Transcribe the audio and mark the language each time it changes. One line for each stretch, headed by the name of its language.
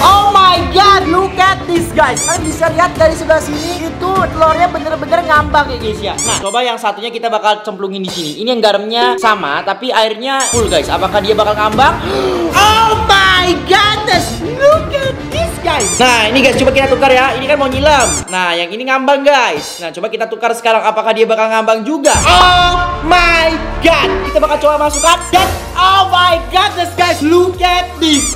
English: Oh my god, look at this, guys.
Indonesian: Kalian bisa lihat dari sebelah sini itu telurnya bener-bener ngambang, ya guys, ya. Nah, coba yang satunya kita bakal cemplungin di sini. Ini yang garamnya sama tapi airnya full, guys. Apakah dia bakal ngambang?
English: Oh my goodness, look at this, guys.
Indonesian: Nah, ini guys, coba kita tukar, ya. Ini kan mau nyilam. Nah, yang ini ngambang, guys. Nah, coba kita tukar sekarang. Apakah dia bakal ngambang juga?
English: Oh my god.
Indonesian: Kita bakal coba masukkan. Dan
English: oh my goodness, guys, look at this.